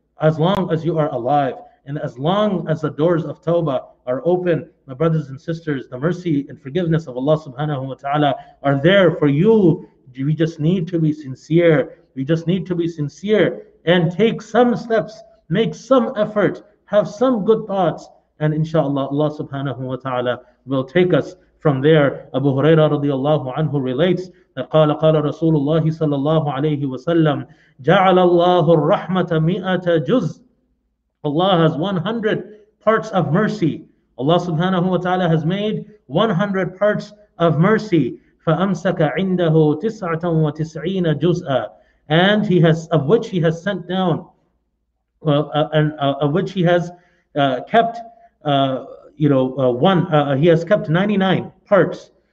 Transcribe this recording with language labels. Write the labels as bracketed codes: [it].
[en] As long as you are alive, and as long as the doors of Tawbah are open, my brothers and sisters, the mercy and forgiveness of Allah subhanahu wa ta'ala are there for you. We just need to be sincere. We just need to be sincere and take some steps, make some effort, have some good thoughts, and inshallah, Allah subhanahu wa ta'ala will take us from there. Abu Huraira radiallahu anhu relates, [ar] قال قال رسول الله صلى الله عليه وسلم جعل الله الرحمة مئة جزء [en] Allah has 100 parts of mercy. Allah subhanahu wa ta'ala has made 100 parts of mercy. [ar] فَأَمْسَكَ عِنْدَهُ تِسْعَةً وَتِسْعِينَ جُزْءًا. [en] And he has, of which he has sent down, of which he has kept, he has kept 99 parts.